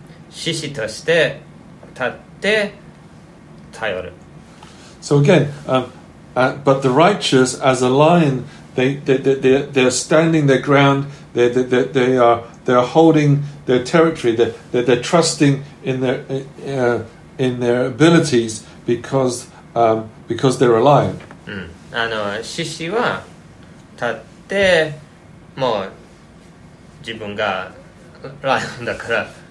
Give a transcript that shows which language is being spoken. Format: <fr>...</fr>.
<ja>獅子として立って頼る。</ja> <en>So again, but the righteous, as a lion, they're standing their ground. They're holding their territory. They're trusting in their abilities because they're a lion.</en> <ja>獅子は立ってもう自分がライオンだから。</ja>